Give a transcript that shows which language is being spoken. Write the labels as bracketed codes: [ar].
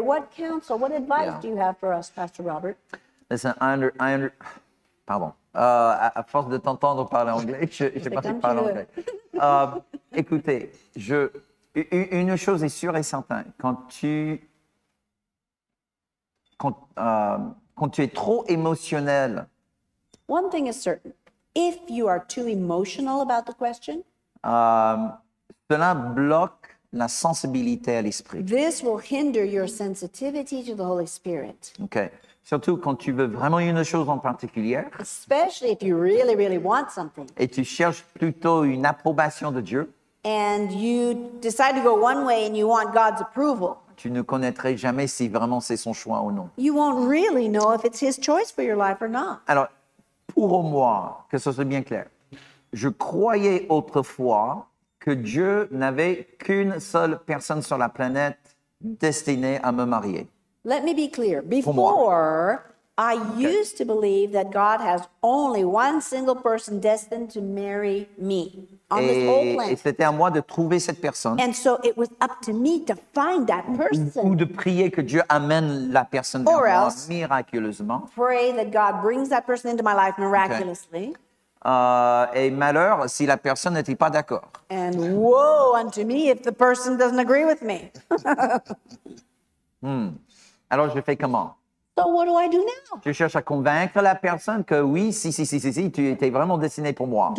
[en] What counsel, what advice do you have for us, Pastor Robert? [fr] Listen, à force de t'entendre parler anglais, je pense que je parle anglais. Écoutez, une chose est sûre et certaine. Quand tu es trop émotionnel... [en] One thing is certain. If you are too emotional about the question, [fr] cela bloque la sensibilité à l'esprit. [en] This will hinder your sensitivity to the Holy Spirit. Okay. [fr] Surtout quand tu veux vraiment une chose en particulier. [en] Especially if you really, really want something. [fr] Et tu cherches plutôt une approbation de Dieu. [en] And you decide to go one way and you want God's approval. [fr] Tu ne connaîtrais jamais si vraiment c'est son choix ou non. [en] You won't really know if it's his choice for your life or not. [fr] Alors, pour moi, que ce soit bien clair, je croyais autrefois que Dieu n'avait qu'une seule personne sur la planète destinée à me marier. [en] Let me be clear. Before, I used to believe that God has only one single person destined to marry me on [fr] et [en] this whole planet. [fr] Et c'était à moi de trouver cette personne. [en] And so it was up to me to find that person. [fr] Ou de prier que Dieu amène la personne [en] or [fr] vers [en] else, [fr] moi miraculeusement. [en] Pray that God brings that person into my life miraculously. [fr] Et malheur si la personne n'était pas d'accord. [en] And woe unto me if the person doesn't agree with me. [fr] Alors je fais comment? [en] So what do I do now? [fr] Je cherche à convaincre la personne que oui, si, tu étais vraiment destiné pour moi.